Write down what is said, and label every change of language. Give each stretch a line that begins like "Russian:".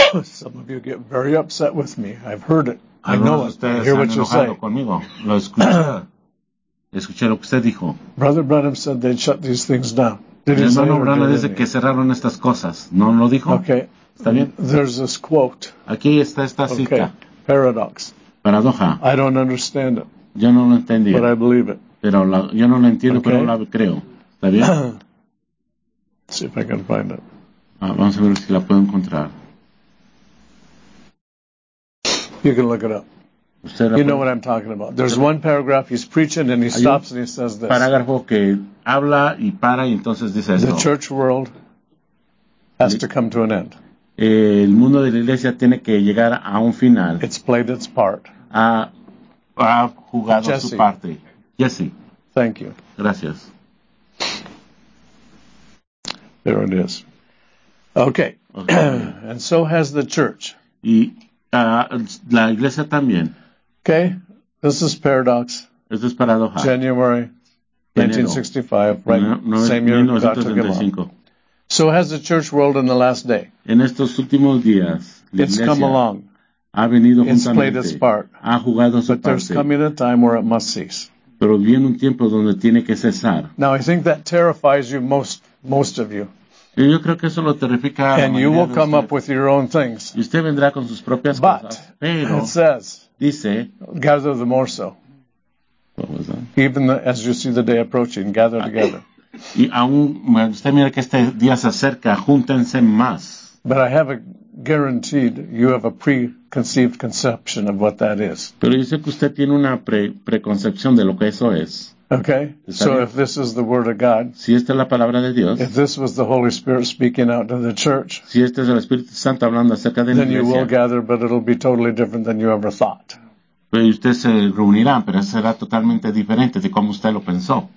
English: Some of you get very upset with me. I've heard it. I know it. I hear what you say.
Spanish: Conmigo. Lo escuché. Escuché lo que usted dijo.
English: Brother Branham said they shut these things down. Did
Spanish: el hermano Branham dice que cerraron estas cosas. ¿No lo dijo?
English: Okay.
Spanish: ¿Está bien?
English: There's this quote.
Spanish: Aquí está esta cita.
English: Okay. Paradox.
Spanish: Paradoja.
English: I don't understand it.
Spanish: Yo no lo entendí.
English: But I believe it.
Spanish: Pero la, yo no lo entiendo,
English: okay.
Spanish: Pero la creo. ¿Está bien?
English: Let's see if I can find it.
Spanish: Vamos a ver si la puedo encontrar.
English: You can look it up. You know what I'm talking about. There's one paragraph he's preaching and he stops and he says this.
Spanish: Parágrafo que habla y para y entonces dice esto.
English: The church world has to come to an end.
Spanish: El mundo de la iglesia tiene que llegar a un final.
English: It's played its part.
Spanish: Ha jugado Jesse. Su parte. Jesse.
English: Thank you.
Spanish: Gracias.
English: There it is. Okay. And so has the church.
Spanish: Y la iglesia también.
English: Okay, this is paradox.
Spanish: Esto es paradoja.
English: January 1965, right? Same year God took him up. So has the church world in the last day.
Spanish: En estos últimos días,
English: it's come along.
Spanish: ha venido
English: it's played its part.
Spanish: Ha jugado su
English: but there's
Spanish: parte.
English: Coming a time where it must cease.
Spanish: Pero viene un tiempo donde tiene que cesar.
English: Now I think that terrifies you most of you.
Spanish: Y yo creo que eso lo terrifica
English: and
Spanish: a la mayoría
English: you will
Spanish: de
English: come
Spanish: usted.
English: Up with your own things.
Spanish: Y usted vendrá con sus propias
English: but
Spanish: cosas. Pero
English: it says,
Spanish: dice,
English: gather the more so. Even the, as you see the day approaching, gather together.
Spanish: Y aún, usted mira que este día se acerca, júntense más.
English: But I have a guaranteed, you have a preconceived conception of what that is.
Spanish: Pero yo sé que usted tiene una preconcepción de lo que eso es.
English: Okay, so if this is the word of God,
Spanish: si esta es la palabra de Dios,
English: if this was the Holy Spirit speaking out to the church,
Spanish: si este es el Espíritu Santo hablando acerca de
English: then
Spanish: la iglesia,
English: you will gather, but it'll be totally different than you ever thought.
Spanish: Pues ustedes se reunirán, pero eso será totalmente diferente de como usted lo pensó.